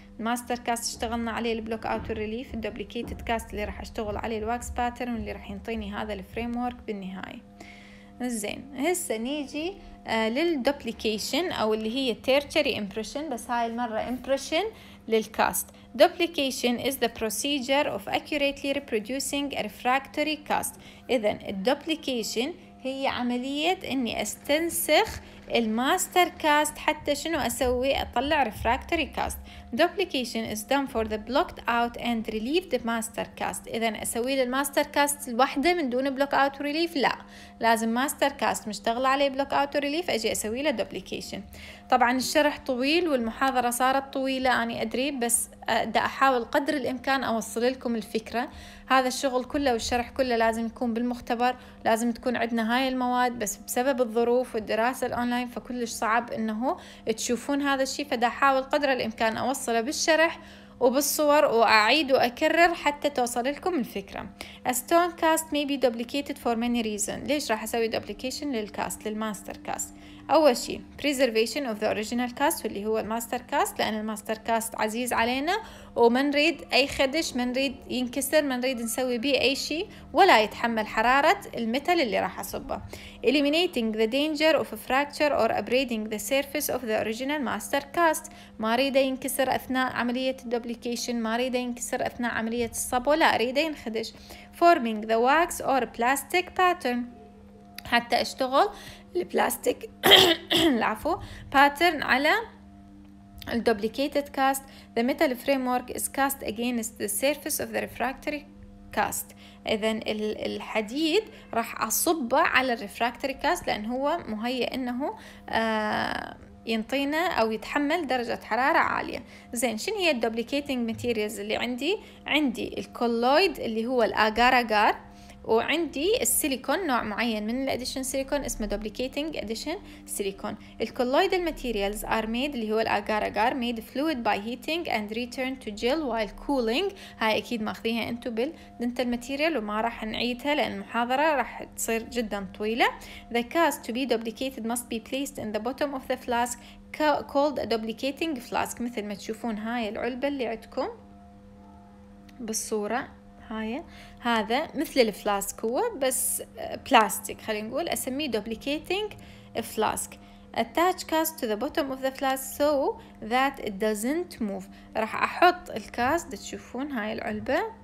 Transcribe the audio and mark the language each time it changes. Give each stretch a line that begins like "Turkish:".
Arabic: الماستر كاست اشتغلنا عليه البلوك اوت والريليف، الدوبليكيتد كاست اللي راح اشتغل عليه الواكس باترن اللي راح ينطيني هذا الفريم ورك بالنهايه. زين، هسه نيجي للدوبليكيشن او اللي هي تيرتشري امبريشن، بس هاي المره امبريشن للكاست.
English: Duplication is the procedure of accurately reproducing a refractory cast.
Arabic: إذن الدوبليكيشن هي عملية إني أستنسخ الماستر كاست حتى شنو أسوي؟ أطلع refractory cast.
English: Duplication is done for the blocked out and relieved the master cast.
Arabic: إذن أسوي للماستر كاست الوحدة من دون block out relief؟ لا، لازم ماستر كاست مشتغل عليه block out relief أجي أسوي له duplication. طبعا الشرح طويل والمحاضرة صارت طويلة أنا أدري، بس دا أحاول قدر الإمكان أوصل لكم الفكرة. هذا الشغل كله والشرح كله لازم يكون بالمختبر، لازم تكون عندنا هاي المواد، بس بسبب الظروف والدراسة الأونلاين فكلش صعب إنه تشوفون هذا الشيء، فدا أحاول قدر الإمكان أوصله بالشرح وبالصور وأعيد وأكرر حتى توصل لكم الفكرة.
English: A stone cast may be duplicated for many reasons.
Arabic: ليش راح أسوي duplication للكاست للماستر كاست؟ أول شيء
English: preservation of the original cast
Arabic: واللي هو الماستر كاست، لأن الماستر كاست عزيز علينا وما نريد أي خدش، ما نريد ينكسر، ما نريد نسوي به أي شيء ولا يتحمل حرارة المتل اللي راح أصبه.
English: Eliminating the danger of a fracture or abrading the surface of the original master cast.
Arabic: ما أريده ينكسر أثناء عملية الدوبليكيشن، ما أريده ينكسر أثناء عملية الصب، ولا أريده ينخدش.
English: Forming the wax or plastic pattern
Arabic: حتى أشتغل البلاستيك العفو باترن
English: على الدوبليكيتد cast. The metal framework is cast against the surface of the refractory cast.
Arabic: إذن الحديد راح أصبه على الريفراكتوري كاست لأن هو مهيئ إنه ينطينا أو يتحمل درجة حرارة عالية. زين، شنو هي الدوبليكيتنج ماتيريالز اللي عندي؟ عندي الكولويد اللي هو الأغار، وعندي السيليكون نوع معين من الأديشن سيليكون اسمه دوبليكيتنج أديشن سيليكون.
English: الكولويدال materials are made اللي هو الأغار agar made fluid by heating and return to gel while cooling.
Arabic: هاي اكيد ماخذيها انتو بالدنتال ماتيريال وما راح نعيدها لان المحاضرة راح تصير جدا طويلة.
English: The cast to be duplicated must be placed in the bottom of the flask called duplicating flask.
Arabic: مثل ما تشوفون هاي العلبة اللي عندكم بالصورة، هاي هذا مثل الفلاسك هو بس بلاستيك، خلينا نقول اسميه duplicating flask.
English: Attach cast to the bottom of the flask so that it doesn't move.
Arabic: راح احط الكاست، تشوفون هاي العلبة